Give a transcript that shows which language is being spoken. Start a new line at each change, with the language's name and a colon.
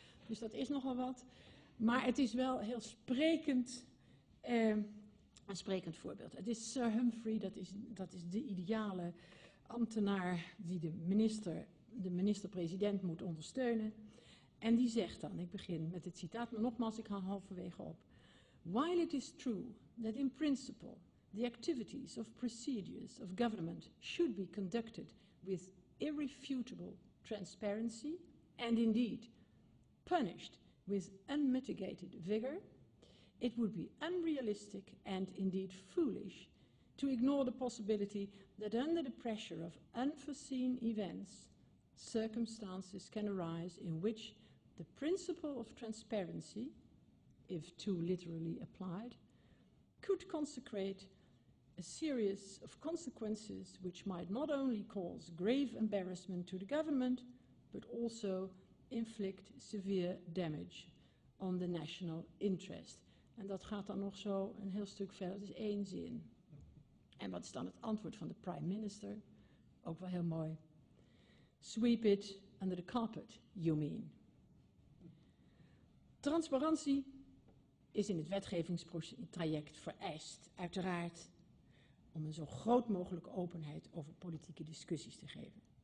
Dutch: Dus dat is nogal wat. Maar het is wel heel sprekend, een sprekend voorbeeld. Het is Sir Humphrey, dat is de ideale ambtenaar die de minister-president moet ondersteunen. En die zegt dan, ik begin met het citaat, maar nogmaals, ik haal halverwege op.
English: While it is true that in principle the activities of procedures of government should be conducted with irrefutable transparency and indeed punished with unmitigated vigor, it would be unrealistic and indeed foolish to ignore the possibility that under the pressure of unforeseen events, circumstances can arise in which the principle of transparency, if too literally applied, could consecrate a series of consequences which might not only cause grave embarrassment to the government, but also inflict severe damage on the national interest.
Dutch: En dat gaat dan nog zo een heel stuk verder, dat is één zin. En wat is dan het antwoord van de prime minister? Ook wel heel mooi.
English: Sweep it under the carpet, you mean.
Dutch: Transparantie is in het wetgevingstraject vereist, uiteraard, om een zo groot mogelijk openheid over politieke discussies te geven.